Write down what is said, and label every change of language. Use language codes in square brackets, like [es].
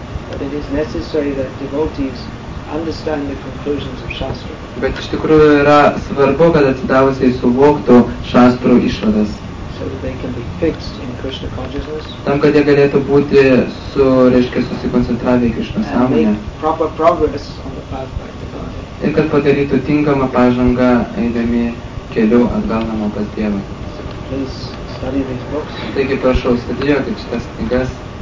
[en] But it is necessary that devotees understand the conclusions of Shastra. [lt] Bet iš tikrųjų yra svarbu, kad atsidavusiai suvoktų Shastra išvadas. [en] So that they can be fixed in Krishna consciousness. [lt] Tam, kad jie galėtų būti susikoncentravę į Krishna sąmonę. [en] And make proper progress on the path back to Godhead. [lt] Ir kad padarytų tinkamą pažangą, eidami keliu atgal namo pas Dievą. [en] So please study these books. [lt] Taigi prašau, studijuokit šitas knygas.